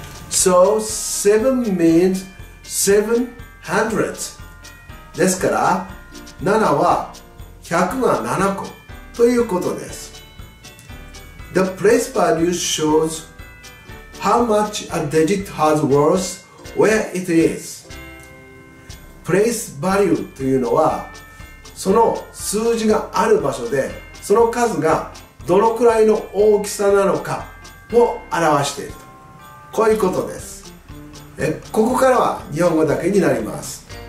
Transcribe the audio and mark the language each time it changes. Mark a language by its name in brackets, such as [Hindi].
[English] So, 7 means 7 hundredths. [Japanese] ですから7は100が7個ということです。 [English] The place value shows how much a digit has worth where it is. [Japanese] Place value というのはその数字がある場所でその数がどのくらいの大きさなのかを表していると。こういうことです。ここからは日本語だけになります。